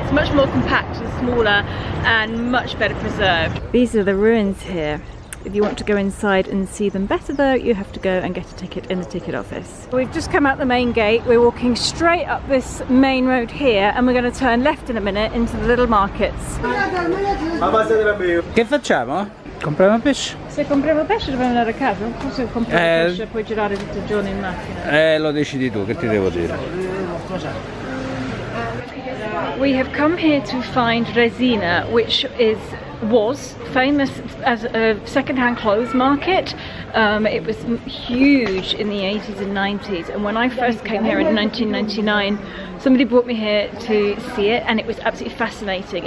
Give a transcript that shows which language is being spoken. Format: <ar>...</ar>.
<en>It's much more compact and smaller and much better preserved. These are the ruins here. If you want to go inside and see them better though, you have to go and get a ticket in the ticket office. We've just come out the main gate. We're walking straight up this main road here and we're going to turn left in a minute into the little markets.</en> <it>Che facciamo? Compriamo pesce. Se compriamo pesce dobbiamo andare a casa, non posso comprare pesce e poi girare tutto il giorno in macchina. Lo decidi tu, che ti devo dire?</it> <en>We have come here to find resina, which is was famous as a secondhand clothes market. It was huge in the 80s and 90s, and when I first came here in 1999, somebody brought me here to see it, and it was absolutely fascinating.</en>